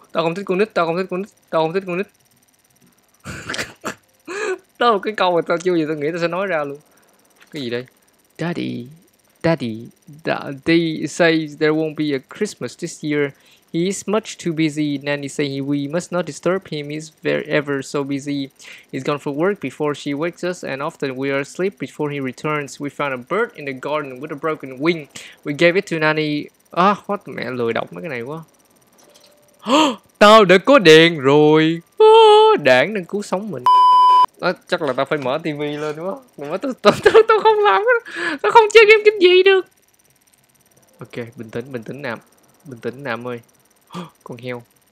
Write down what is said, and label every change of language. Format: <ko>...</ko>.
<vi>Tao không thích con nít, tao không thích con nít, tao không thích con nít. Tao cái câu mà tao chưa gì tao nghĩ tao sẽ nói ra luôn. Cái gì đây?</vi> <en>Daddy. Daddy, they say there won't be a Christmas this year. He is much too busy. Nanny say we must not disturb him. He's very ever so busy. He's gone for work before she wakes us, and often we are asleep before he returns. We found a bird in the garden with a broken wing. We gave it to Nanny. Ah, what?</en> <vi>Mẹ lười đọc mấy cái này quá. Tao đã có đèn rồi. Đảng đang cứu sống mình. Đó, chắc là tao phải mở TV lên quá. Tao không làm cái đó. Tao không chơi game kinh dị được. Ok, bình tĩnh nào. Bình tĩnh nào ơi. Con heo.</vi>